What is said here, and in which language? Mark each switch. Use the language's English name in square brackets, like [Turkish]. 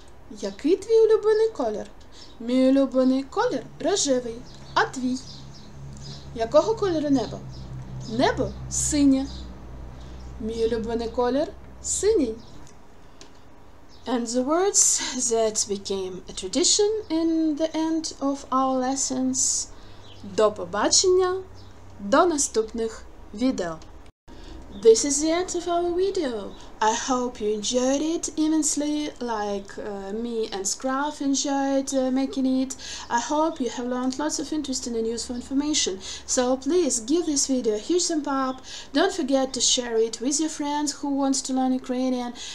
[Ukrainian] Який твій улюблений колір? Мій улюблений колір рожевий, а твій? Якого кольору небо? Небо синє. Мій улюблений колір синій. [English] And the words that became a tradition in the end of our lessons. [Ukrainian] До побачення, до наступних відео. [English] This is the end of our video. I hope you enjoyed it immensely, like me and Scruff enjoyed making it. I hope you have learned lots of interesting and useful information. So please give this video a huge thumbs up. Don't forget to share it with your friends who want to learn Ukrainian.